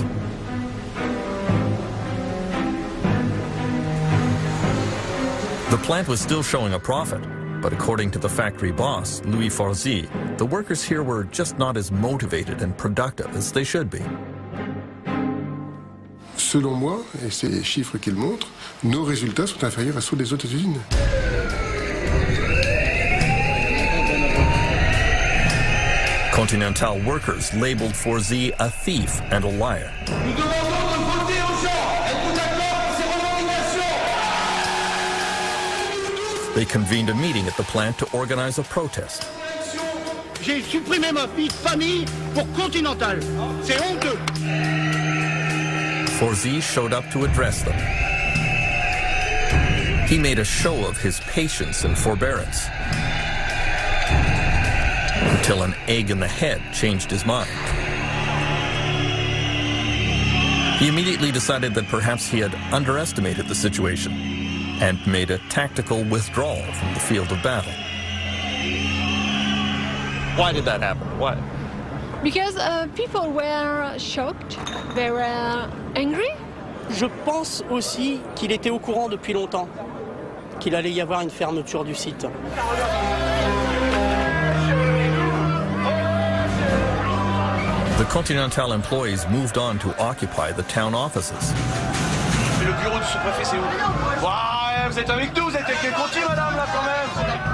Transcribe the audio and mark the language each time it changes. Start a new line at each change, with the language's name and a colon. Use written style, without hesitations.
English: The plant was still showing a profit, but according to the factory boss, Louis Farzi, the workers here were just not as motivated and productive as they should be.
French: Selon moi, et c'est les chiffres qu'il montre, nos résultats sont inférieurs à ceux des autres usines.
English: Continental workers labeled Farzi a thief and a liar. They convened a meeting at the plant to organize a protest.
French: J'ai supprimé ma vie de famille pour Continental. C'est honteux.
English: Farzi showed up to address them. He made a show of his patience and forbearance until an egg in the head changed his mind. He immediately decided that perhaps he had underestimated the situation and made a tactical withdrawal from the field of battle. Why did that happen? Why? Because people were shocked, they were angry.
French: Je pense aussi qu'il était au courant depuis longtemps qu'il allait y avoir une fermeture du site.
English: The Continental employees moved on to occupy the town offices.
French: Et le bureau du sous-préfet, c'est où? Wow. Vous êtes avec nous, vous êtes quelqu'un qui est conti, madame, là, quand même.